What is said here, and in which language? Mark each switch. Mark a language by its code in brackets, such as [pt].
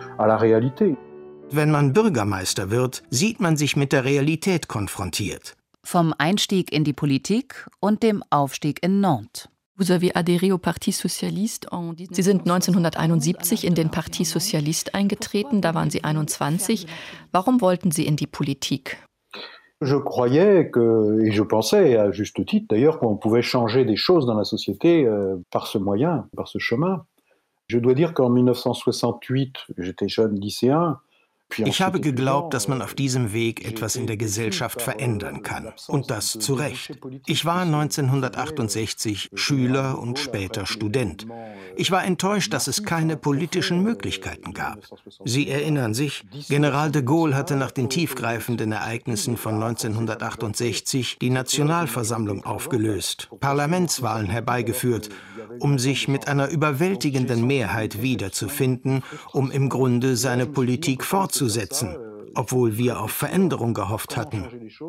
[de] Wenn man Bürgermeister wird, sieht man sich mit der Realität konfrontiert. Vom Einstieg in die Politik und dem Aufstieg in Nantes. [fr] Vous avez adhéré au Parti Socialiste en... [de] Sie sind 1971 in den Parti Socialiste eingetreten, da waren Sie 21. Warum wollten Sie in die Politik? [fr] Je croyais que et je pensais à juste titre d'ailleurs qu'on pouvait changer des choses dans la société par ce moyen, par ce chemin. Je dois dire qu'en 1968, j'étais jeune lycéen. [de] Ich habe geglaubt, dass man auf diesem Weg etwas in der Gesellschaft verändern kann. Und das zu Recht. Ich war 1968 Schüler und später Student. Ich war enttäuscht, dass es keine politischen Möglichkeiten gab. Sie erinnern sich, General de Gaulle hatte nach den tiefgreifenden Ereignissen von 1968 die Nationalversammlung aufgelöst, Parlamentswahlen herbeigeführt, um sich mit einer überwältigenden Mehrheit wiederzufinden, um im Grunde seine Politik fortzusetzen, obwohl wir auf Veränderung gehofft hatten.